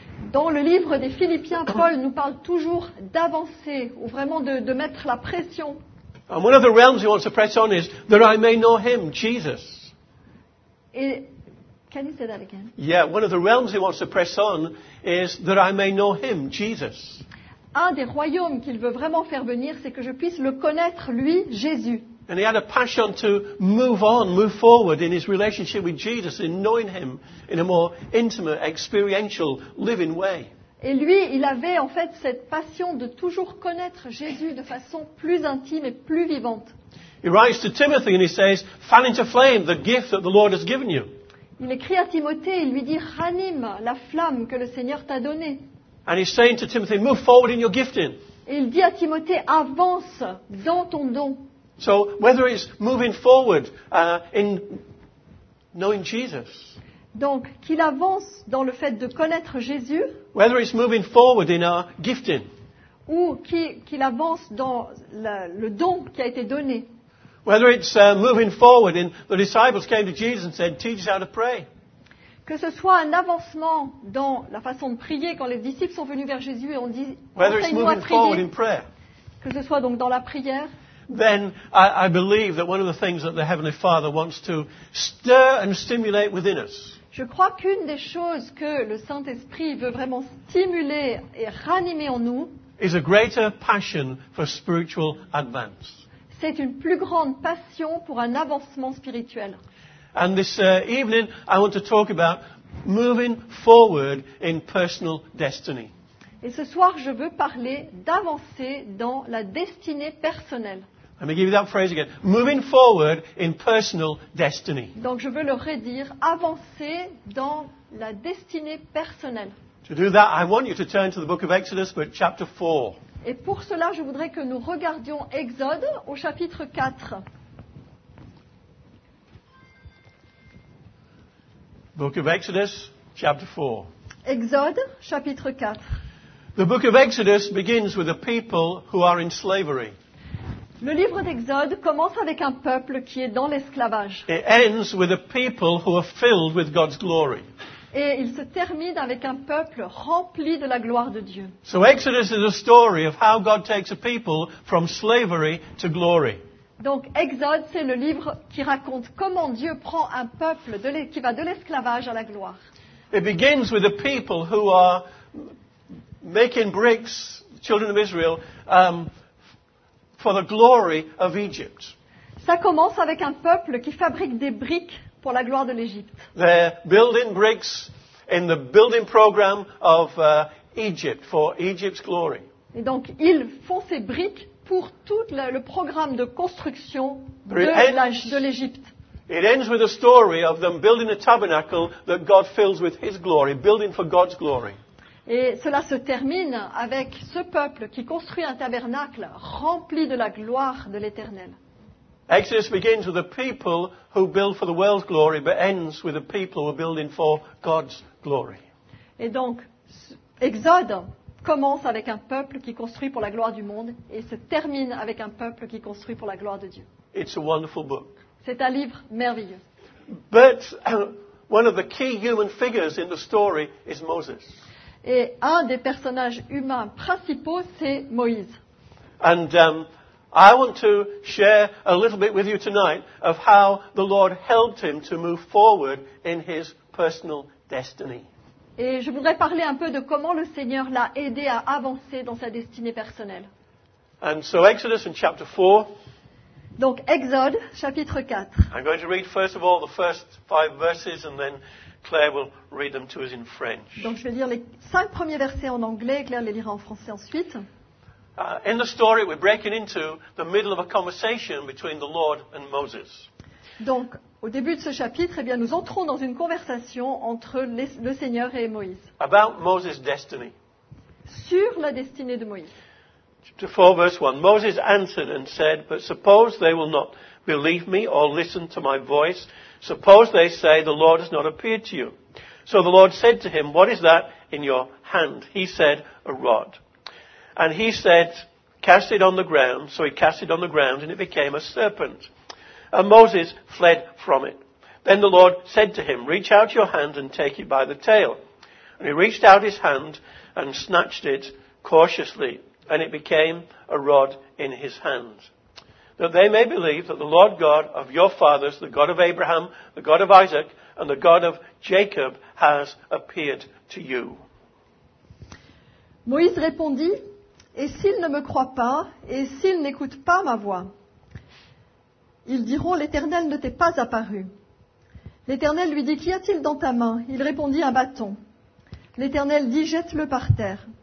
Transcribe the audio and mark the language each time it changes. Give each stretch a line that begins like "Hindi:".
French: Dans le livre des Philippiens, Paul nous parle toujours d'avancer ou vraiment de mettre la pression.
English: And one of the realms he wants to press on is that I may know him, Jesus. Et, can you say that again? Yeah, one of the realms he wants to press on is that I may know him, Jesus.
French: Un des royaumes qu'il veut vraiment faire venir, c'est que je puisse le connaître, lui, Jésus.
English: And he had a passion to move on, move forward in his relationship with Jesus, in knowing him in a more intimate, experiential, living way.
French: Et lui, il avait en fait cette passion de toujours connaître Jésus de façon plus intime et plus vivante.
English: He writes to Timothy and he says, "Fan into flame the gift that the Lord has given you."
French: Il écrit à Timothée et il lui dit, ranime la flamme que le Seigneur t'a donnée.
English: And he's saying to Timothy, move forward in your gifting.
French: Et il dit à Timothée, avance dans ton don.
English: So whether it's moving forward in knowing Jesus.
French: Donc qu'il avance dans le fait de connaître Jésus.
English: Whether it's moving forward in our gifting.
French: Ou qu'il avance dans le don qui a été donné.
English: Whether it's moving forward in the disciples came to Jesus and said, teach us how to pray.
French: Que ce soit un avancement dans la façon de prier quand les disciples sont venus vers Jésus et ont dit, enseigne-nous à prier.
English: In prayer.
French: Que ce soit donc dans la prière.
English: Then I believe that one of the things that the Heavenly Father wants to stir and stimulate within us.
French: Je crois qu'une des choses que le Saint-Esprit veut vraiment stimuler et ranimer en nous
English: is a greater passion for spiritual advance.
French: C'est une plus grande passion pour un avancement spirituel.
English: And this evening I want to talk about moving forward in personal destiny.
French: Et ce soir, je veux parler d'avancer dans la destinée personnelle.
English: Let me give you that phrase again. Moving forward in personal destiny.
French: Donc, je veux le redire, avancer dans la destinée personnelle.
English: To do that, I want you to turn to the book of Exodus, but chapter 4.
French: Et pour cela, je voudrais que nous regardions Exode au chapitre 4.
English: Book of Exodus, chapter 4.
French: Exode, chapitre 4.
English: The book of Exodus begins with a people who are in slavery.
French: Le livre d'Exode commence avec un peuple qui est dans l'esclavage.
English: It ends with a people who are filled with God's glory.
French: Et il se termine avec un peuple rempli de la gloire de Dieu.
English: So Exodus is a story of how God takes a people from slavery to glory.
French: Donc Exode, c'est le livre qui raconte comment Dieu prend un peuple qui va de l'esclavage à la gloire.
English: It begins with a people who are making bricks, children of Israel, for the glory of Egypt.
French: Ça commence avec un peuple qui fabrique des briques pour la gloire de l'Égypte.
English: They're building bricks in the building program of Egypt for Egypt's glory.
French: Et donc ils font ces briques pour tout le programme de construction de l'Égypte.
English: It ends with a story of them building a tabernacle that God fills with His glory, building for God's glory.
French: Et cela se termine avec ce peuple qui construit un tabernacle rempli de la gloire de l'Éternel.
English: Exodus begins with the people who build for the world's glory, but ends with the people who are building for God's glory.
French: Et donc, Exode commence avec un peuple qui construit pour la gloire du monde et se termine avec un peuple qui construit pour la gloire de Dieu.
English: It's a wonderful book.
French: C'est un livre merveilleux.
English: But one of the key human figures in the story is Moses.
French: Et un des personnages humains principaux, c'est Moïse.
English: And I want to share a little bit with you tonight of how the Lord helped him to move forward in his personal destiny.
French: Et je voudrais parler un peu de comment le Seigneur l'a aidé à avancer dans sa destinée personnelle.
English: And so Exodus in chapter 4.
French: Donc Exode, chapitre 4.
English: I'm going to read first of all the first five verses and then Claire will read them to us in French.
French: Donc je vais lire les cinq premiers versets en anglais et Claire les lira en français ensuite.
English: In the story, we're breaking into the middle of a conversation between the Lord and Moses.
French: Donc, au début de ce chapitre, eh bien, nous entrons dans une conversation entre le Seigneur et Moïse.
English: About Moses' destiny.
French: Sur la destinée de Moïse.
English: Chapter 4, verse 1. Moses answered and said, but suppose they will not believe me or listen to my voice. Suppose they say the Lord has not appeared to you. So the Lord said to him, what is that in your hand? He said, a rod. And he said, cast it on the ground. So he cast it on the ground and it became a serpent. And Moses fled from it. Then the Lord said to him, reach out your hand and take it by the tail. And he reached out his hand and snatched it cautiously, and it became a rod in his hand. That they may believe that the Lord God of your fathers, the God of Abraham, the God of Isaac, and the God of Jacob, has appeared to you.
French: Moïse répondit, et s'ils ne me croient pas, et s'ils n'écoutent pas ma voix, ils diront, l'Éternel ne t'est pas apparu. L'Éternel lui dit, qu'y a-t-il dans ta main ? Il répondit, un bâton. L'Éternel dit, jette-le par terre.